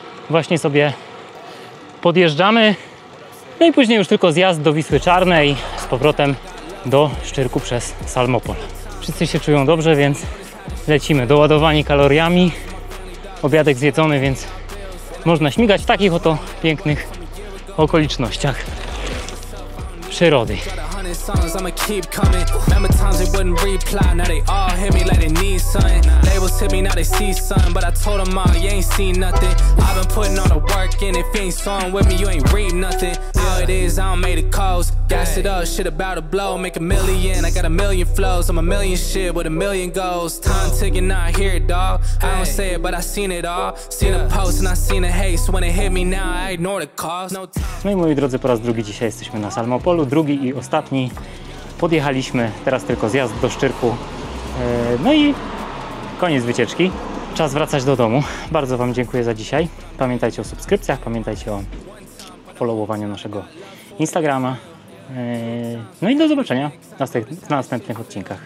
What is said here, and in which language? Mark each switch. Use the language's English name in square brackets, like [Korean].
[Polish] Właśnie sobie podjeżdżamy. No i później już tylko zjazd do Wisły Czarnej z powrotem do Szczyrku przez Salmopol. Wszyscy się czują dobrze, więc lecimy. Doładowani kaloriami. Obiadek zjedzony, więc można śmigać w takich oto pięknych okolicznościach przyrody. [English] I'ma keep coming. Remember times they wouldn't reply. Now they all hit me like they need something. Labels hit me, now they see something. But I told them all, you ain't seen nothing. I've been putting all the work in. If you ain't song with me, you ain't read nothing. How it is, I don't make the calls. Gas it up, shit about to blow. Make a million, I got a million flows. I'm a million shit with a million goals. Time ticking, now I hear it, dawg. I don't say it, but I seen it all. Seen a post and I seen a haste. When it hit me now, I ignore the calls. No time. [Polish] No i moi drodzy, po raz drugi dzisiaj jesteśmy na Salmopolu. Drugi i ostatni. Podjechaliśmy, teraz tylko zjazd do Szczyrku, no i koniec wycieczki, czas wracać do domu. Bardzo Wam dziękuję za dzisiaj. Pamiętajcie o subskrypcjach, pamiętajcie o followowaniu naszego Instagrama, no i do zobaczenia w następnych odcinkach.